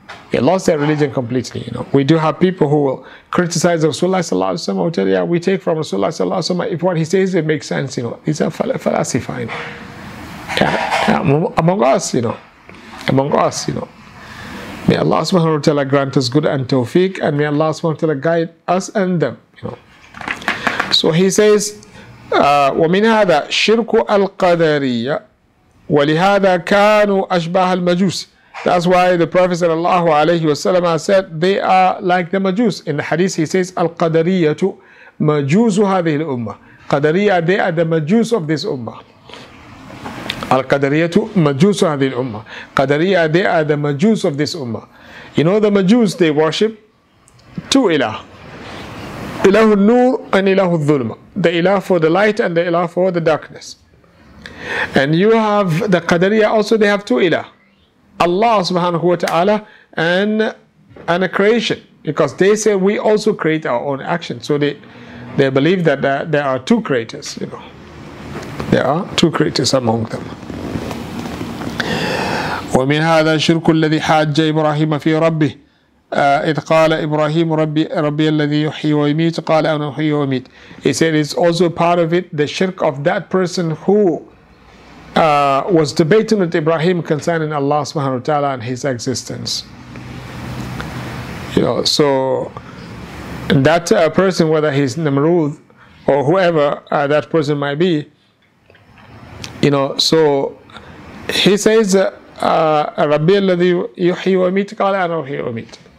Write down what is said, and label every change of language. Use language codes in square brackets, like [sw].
[en] They lost their religion completely, you know. We do have people who will criticize Rasulullah sallallahu alayhi wa sallam. I will tell you, yeah, we take from Rasulullah sallallahu alayhi wa sallam. If what he says, it makes sense, you know. He's a falsifying. Among us, you know. May Allah subhanahu wa ta'ala grant us good and tawfiq, and may Allah subhanahu wa ta'ala guide us and them, you know. [ar] So he says, وَمِنْ هَذَا شِرْكُ الْقَدَرِيَّ وَلِهَذَا كَانُوا أَشْبَاهَ الْمَجُوسِ. [en] That's why the Prophet sallallahu alayhi wa sallam said, they are like the Majus. In the hadith he says, [ar] الْقَدَرِيَّةُ مَجُوسُ هَذِهِ الْأُمَّةِ. [en] قَدَرِيَّة, they are the Majus of this Ummah. [ar] Al-Qadariyatu Majusu Hadhi Al-Ummah. [en] Qadariya, they are the Majus of this Ummah. You know the Majus, they worship two ilah. Ilahu Nur and Ilahu Dhulma. The ilah for the light and the ilah for the darkness. And you have the Qadariya also, they have two ilah. Allah subhanahu wa ta'ala and a creation. Because they say we also create our own actions. So they believe that there are two creators, you know. There are two creators among them. [ar] ومن هذا الشرك الذي حاج إبراهيم في ربه إذ قال إبراهيم ربي الذي يحيي ويميت قال أنا أحيي وأميت. [en] He said it's also part of it, the shirk of that person who was debating with Ibrahim concerning Allah subhanahu wa ta'ala and his existence. You know, so that person, whether he's Namrud or whoever that person might be, you know, so he says, [ar] Rabbi alladhi yuhyi wa yumeet [en] qala ana yuhyi wa yumeet.